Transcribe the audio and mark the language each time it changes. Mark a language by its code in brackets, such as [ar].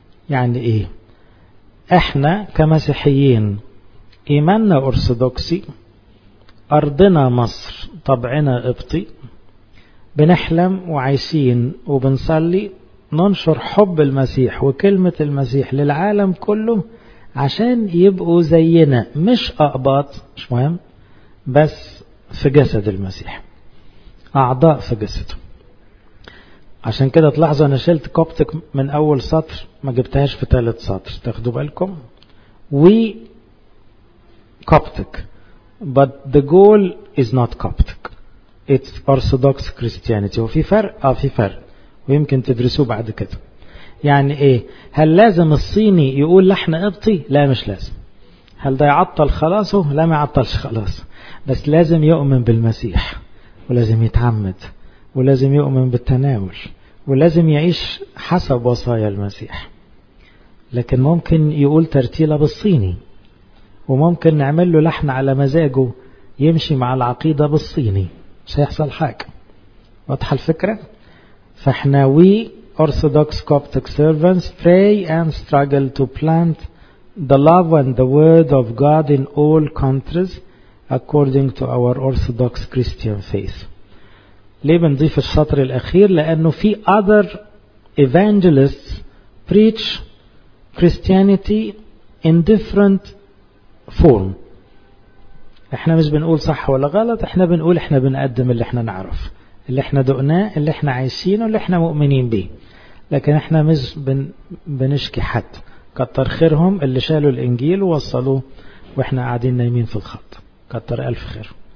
[ar] يعني إيه؟ إحنا كمسيحيين إيماننا أرثوذكسي، أرضنا مصر، طبعنا قبطي، بنحلم وعايشين وبنصلي ننشر حب المسيح وكلمة المسيح للعالم كله عشان يبقوا زينا، مش أقباط، مش مهم، بس في جسد المسيح، أعضاء في جسده. عشان كده تلاحظوا أنا شلت كوبتك من أول سطر، ما جبتهاش في ثالث سطر، تاخدوا بالكم. [en] We Coptic but the goal is not Coptic. It's Orthodox Christianity. [ar] وفي فرق؟ في فرق، ويمكن تدرسوه بعد كده. يعني ايه؟ هل لازم الصيني يقول لحن قبطي؟ لا مش لازم. هل ده يعطل خلاصه؟ لا ما يعطلش خلاص، بس لازم يؤمن بالمسيح، ولازم يتعمد، ولازم يؤمن بالتناول، ولازم يعيش حسب وصايا المسيح. لكن ممكن يقول ترتيلة بالصيني، وممكن نعمل له لحن على مزاجه يمشي مع العقيدة بالصيني، مش هيحصل حاجة. واضحة الفكرة؟ فاحنا [en] we Orthodox Coptic servants pray and struggle to plant the love and the word of God in all countries according to our Orthodox Christian faith. [ar] ليه بنضيف السطر الأخير؟ لأنه في [en] other evangelists preach Christianity in different form. [ar] احنا مش بنقول صح ولا غلط، احنا بنقول احنا بنقدم اللي احنا نعرف، اللي احنا دقناه، اللي احنا عايشينه، اللي احنا مؤمنين به. لكن احنا مش بنشكي حد، كتر خيرهم اللي شالوا الانجيل ووصلوه واحنا قاعدين نايمين في الخط، كتر الف خير.